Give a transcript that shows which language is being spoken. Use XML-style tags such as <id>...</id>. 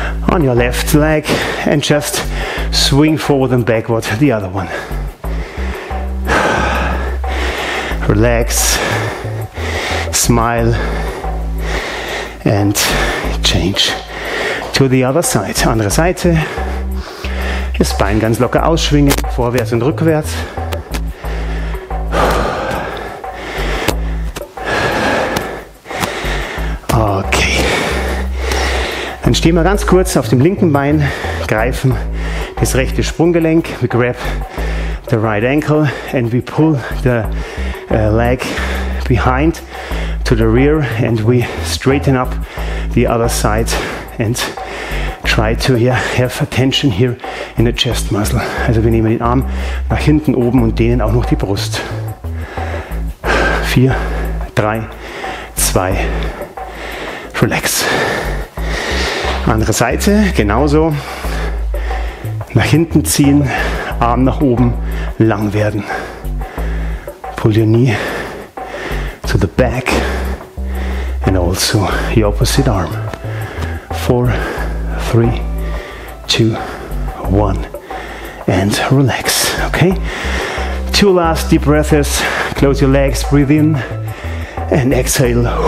<en>On your left leg and just swing forward and backward, the other one. Relax, smile and change to the other side.</en> <de>Andere Seite, das Bein ganz locker ausschwingen, vorwärts und rückwärts. Dann stehen wir ganz kurz auf dem linken Bein, greifen das rechte Sprunggelenk,</de> <en>we grab the right ankle and we pull the leg behind to the rear and we straighten up the other side and try to have a tension here in the chest muscle.</en> <de>Also wir nehmen den Arm nach hinten oben und dehnen auch noch die Brust.</de> <en>4, 3, 2, relax.</en> <de>Andere Seite, genauso. Nach hinten ziehen, Arm nach oben, lang werden.</de> <en>Pull your knee to the back and also the opposite arm. 4, 3, 2, 1 and relax. Okay? Two last deep breaths. Close your legs, breathe in and exhale.</en>